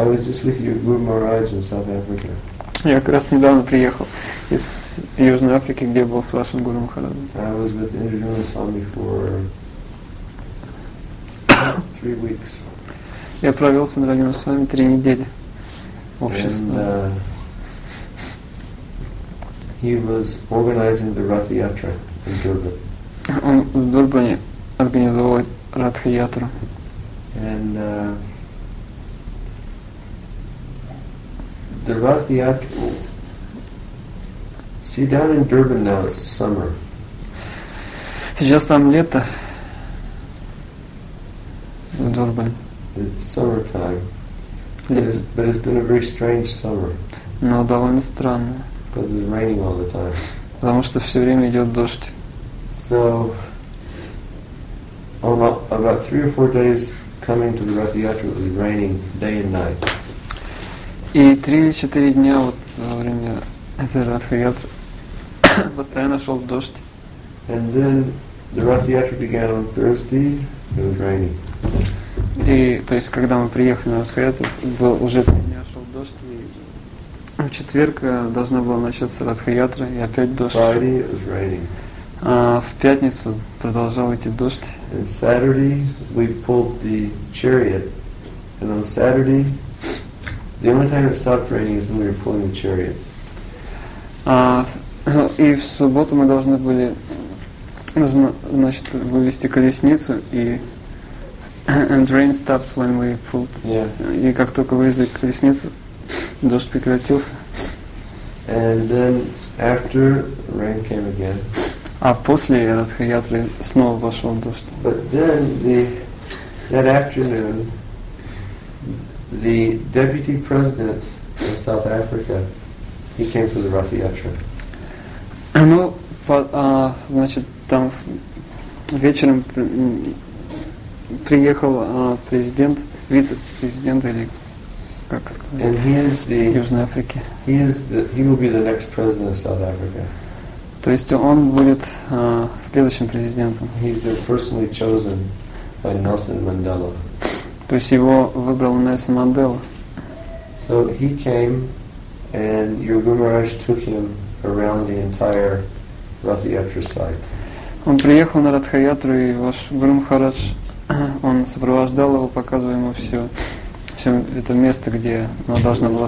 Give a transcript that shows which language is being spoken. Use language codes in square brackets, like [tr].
[en] I was just with your Guru Maharaj in South Africa. [ru] Я как раз недавно приехал из Южной Африки, где был с вашим Гуру Махараджем. [en] I was with Indrajana Swami for 3 weeks. [ru] Я провел с Индрагина с вами 3 недели в обществе. [en] And he was organizing the Ratha Yatra in Durban. [ru] Он в Дурбане организовал Ратха Ятру. [en] And the Ratha Yatra. See, down in Durban now it's summer. [ru] Сейчас там лето. В Дурбане. [en] It's summertime. But it's been a very strange summer. [ru] Но довольно странно. [en] Because it's raining all the time. [ru] Потому что все время идет дождь. [en] So, about 3 or 4 days coming to the Ratha Yatra, it was raining day and night. [ru] И 3 или 4 дня вот во время этой Ратха Ятры постоянно шел дождь. [en] And then the Ratha Yatra began on Thursday. It was raining. [ru] И, то есть, когда мы приехали на Радхаятру, был уже 3 дня шел дождь, и в четверг должна была начаться Радхаятра, и опять дождь. [en] Friday, it was raining. [ru] А в пятницу продолжал идти дождь. [en] And Saturday, we pulled the chariot. And on Saturday, the only time it stopped raining is when we were pulling the chariot. [ru] И в субботу мы должны были, значит, вывести колесницу, и [en] and rain stopped when we pulled. Yeah. [ru] И как только вывезли колесницу, дождь прекратился. [en] And then after rain came again. [ru] А после Ратха Ятры снова пошел дождь. [en] But then that afternoon, the deputy president of South Africa, he came for the Ratha Yatra. [ru] Ну, значит, там вечером приехал президент, вице-президент или как сказать, Южной Африки. [en] He will be the next president of South Africa. [ru] То есть он будет следующим президентом. [en] He's been personally chosen by Nelson Mandela. [ru] То есть его выбрал Нельсон Мандела. [en] So he came, and your Guru Maharaj took him around the entire Ratha Yatra site. [ru] Он приехал на Ратха Ятру, и ваш Гуру Махарадж он сопровождал его, показывая ему все, всем это место, где оно должно было